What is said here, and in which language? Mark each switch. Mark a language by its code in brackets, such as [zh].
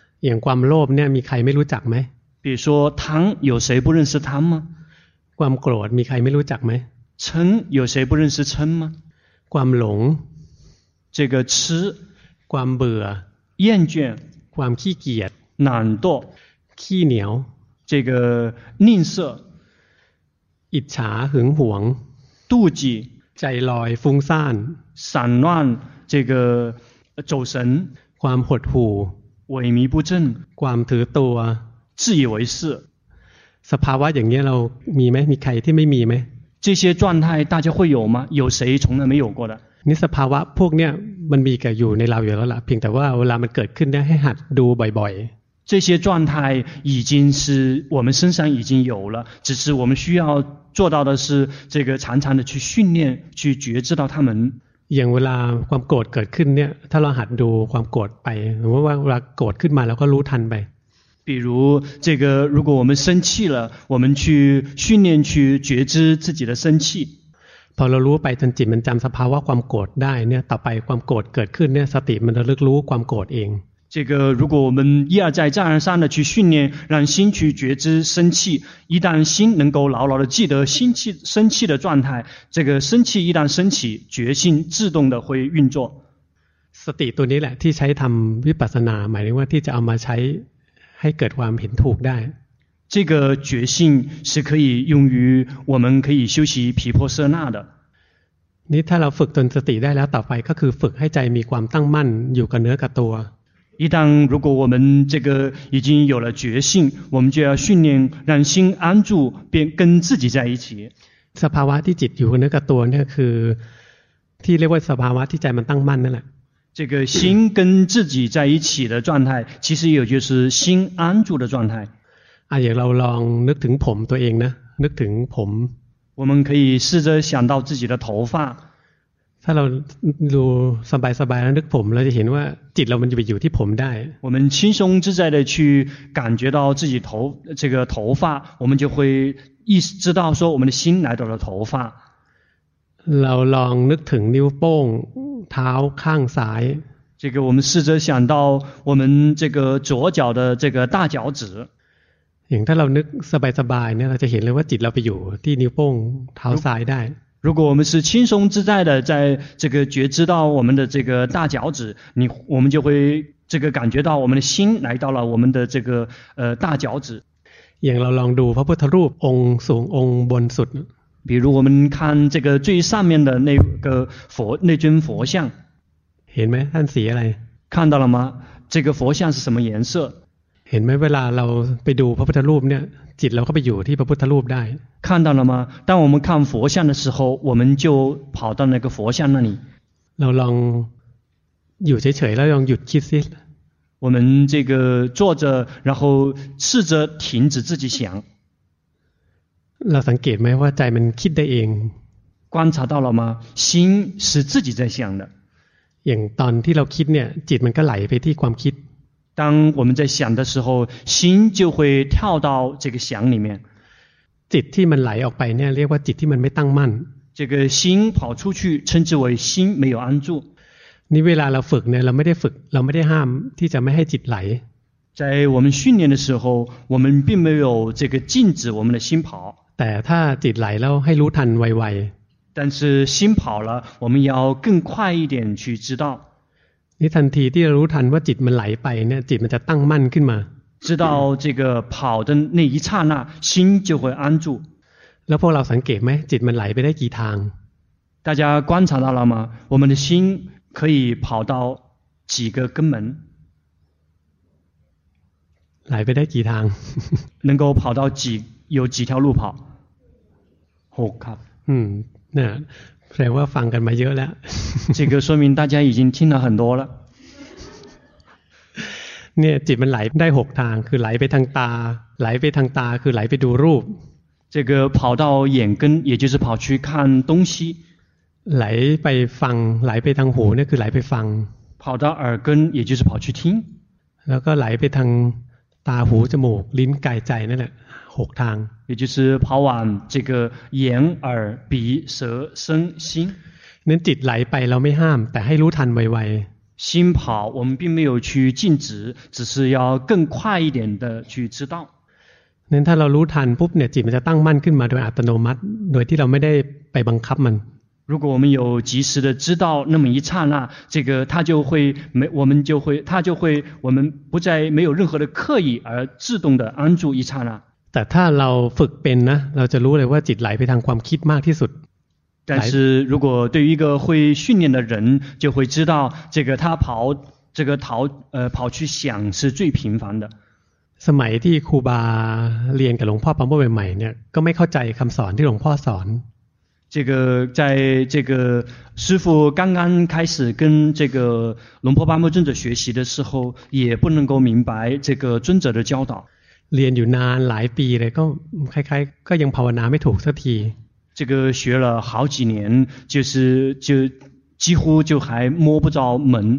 [th] อย่างความโลภเนี่ยมีใครไม่รู้จักไหม [zh] 比如说贪有谁不认识贪吗 [th] ความโกรธมีใครไม่รู้จักไหม [zh] 嗔有谁不认识嗔吗 [th] ความหลง [zh] 这个痴 [th] ความเบื่อ [zh] 厌倦 [th] ความขี้เกียจ [zh] 懒惰 [th] ขี้เหนียว [zh] 这个吝啬 [th] อิจฉาหึงหวง [zh] 妒忌 [th] ใจลอยฟุ้งซ่าน [zh] 散乱这个走神 [th] ความหดหู่ [zh] 萎靡不振 [th] ความถือตัว [zh] 自以为是 [th] สภาวะอย่างนี้เรามีไหมมีใครที่ไม่มีไหม [zh] 这些状态大家会有吗有谁从来没有过的 [th] นี่สภาวะพวกเนี้ยมันมีกันอยู่ในเราอยู่แล้วล่ะเพียงแต่ว่าเวลามันเกิดขึ้นเนี่ยให้หัดดูบ่อย [zh] ๆ这些状态已经是我们身上已经有了只是我们需要做到的是这个常常的去训练去觉知到他们 [th] อย่างเวลาความโกรธเกิดขึ้นเนี่ยถ้าเราหัดดูความโกรธไปหรือว่าเวลาโกรธขึ้นมาแล้วก็รู้ทันไป [zh] 比如这个如果我们生气了我们去训练去觉知自己的生气 [th] พอเรารู้ไปจนจิตมันจำสภาวะความโกรธได้เนี่ยต่อไปความโกรธเกิดขึ้นเนี่ยสติมันระลึกรู้ความโกรธเอง [zh] 这个如果我们一而再再而三的去训练让心去觉知生气一旦心能够牢牢的记得心气生气的状态这个生气一旦升起觉性自动的会运作 [th] สติตัวนี้แหละที่ใช้ทำวิปัสสนาหมายถึงว่าที่จะเอามาใช้ให้เกิดความเห็นถูกได้ [zh] 这个觉性是可以用于我们可以修习毗婆舍那的 [th] นี่ถ้าเราฝึกจนสติได้แล้วต่อไปก็คือฝึกให้ใจมีความตั้งมั่นอยู่กับเนื้อกับตัว [zh] 一旦如果我们这个已经有了觉性，我们就要训练让心安住，便跟自己在一起。 [th] สภาวะที่จิตอยู่กับเนื้อกับตัวนี่คือที่เรียกว่าสภาวะที่ใจมันตั้งมั่นนั่นแหละ [zh] 这个心跟自己在一起的状态，其实也就是心安住的状态。 [th] อย่างเราลองนึกถึงผมตัวเองนะนึกถึงผม [zh] 我们可以试着想到自己的头发。 [th] ถ้าเราดูสบายๆแล้วนึกผมเราจะเห็นว่าจิตเรามันจะไปอยู่ที่ผมได้ [zh] 我们轻松自在的去感觉到自己头这个头发，我们就会意识知道说我们的心来到了头发。 [th] เราลองนึกถึงนิ้วโป้งเท้าข้างซ้าย [zh] 这个我们试着想到我们这个左脚的这个大脚趾。 [th] อย่างถ้าเรานึกสบายๆเนี่ยเราจะเห็นเลยว่าจิตเราไปอยู่ที่นิ้วโป้งเท้าซ้ายได้ [zh] 如果我们是轻松自在的在这个觉知到我们的这个大脚趾你我们就会这个感觉到我们的心来到了我们的这个大脚趾 [th] อย่างเราลองดูพระพุทธรูปองค์สูงองค์บนสุด [zh] 比如我们看这个最上面的那个佛那尊佛像 [th] เห็นไหมท่านสีอะไร [zh] 看到了吗这个佛像是什么颜色 [th] เห็นไหมเวลาเราไปดูพระพุทธรูปเนี่ยจิตเราก็ไปอยู่ที่พระพุทธรูปได้ [zh] 看到了吗当我们看佛像的时候我们就跑到那个佛像那里 [th] เราลองอยู่เฉยๆแล้วลองหยุดคิดสิ [zh] 我们这个坐着然后试着停止自己想 [th] เราสังเกตไหมว่าใจมันคิดได้เอง [zh] 观察到了吗心是自己在想的 [th] อย่างตอนที่เราคิดเนี่ยจิตมันก็ไหลไปที่ความคิด [zh] 当我们在想的时候心就会跳到这个想里面 [th] จิตที่มันไหลออกไปเนี่ยเรียกว่าจิตที่มันไม่ตั้งมั่น [zh] 这个心跑出去称之为心没有安住 [th] นี่เวลาเราฝึกเนี่ยเราไม่ได้ฝึกเราไม่ได้ห้ามที่จะไม่ให้จิตไหล [zh] 在我们训练的时候我们并没有这个禁止我们的心跑 [th] แต่ถ้าจิตไหลแล้วให้รู้ทันไว [zh] ๆ但是心跑了我们要更快一点去知道 [th] นี่ทันทีที่เรารู้ทันว่าจิตมันไหลไปเนี่ยจิตมันจะตั้งมั่นขึ้นมา [zh] 知道这个跑的那一刹那心就会安住 [th] แล้วพวกเราสังเกตไหมจิตมันไหลไปได้กี่ทาง [zh] 大家观察到了吗我们的心可以跑到几个根门 [th] ไหลไปได้กี่ทาง [zh] 能够跑到几有几条路跑 [th] 6ครับ นี่แปลว่าฟังกันมาเยอะแล้ว [zh] 这个说明大家已经听了很多了 [th] เนี่ยจิตมันไหลได้หกทางคือไหลไปทางตาไหลไปทางตาคือไหลไปดูรูป [zh] 这个跑到眼根也就是跑去看东西 [th] ไหลไปฟังไหลไปทางหูเนี่ยคือไหลไปฟัง [zh] 跑到耳根也就是跑去听 [th] แล้วก็ไหลไปทางตาหูจมูกลิ้นกายใจนั่นแหละหกทาง [zh] 也就是跑往这个眼耳鼻舌身心 [th] นั้นจิตไหลไปเราไม่ห้ามแต่ให้รู้ทันไว [zh] ๆ心跑我们并没有去禁止只是要更快一点的去知道 [th] นั้นถ้าเรารู้ทันปุ๊บเนี่ยจิตมันจะตั้งมั่นขึ้นมาโดยอัตโนมัติโดยที่เราไม่ได้ไปบังคับมัน [zh] 如果我们有及时的知道那么一刹那这个它就会没我们就会它就会我们不再没有任何的刻意而自动的安住一刹那 [th] แต่ถ้าเราฝึกเป็นนะเราจะรู้เลยว่าจิตไหลไปทางความคิดมากที่สุด [zh] 但是如果对于一个会训练的人就会知道这个他跑这个逃跑去想是最频繁的 [th] สมัยที่ครูบาเรียนกับหลวงพ่อปัมปุใหม่ๆเนี่ยก็ไม่เข้าใจคําสอนที่หลวงพ่อสอน [zh] 这个在这个师父刚刚开始跟这个龙婆巴木尊者学习的时候也不能够明白这个尊者的教导 [th] เรียนอยู่นานหลายปีเลยก็คล้ายๆก็ยังภาวนาไม่ถูกสักที [zh] 这个学了好几年就是就几乎就还摸不着门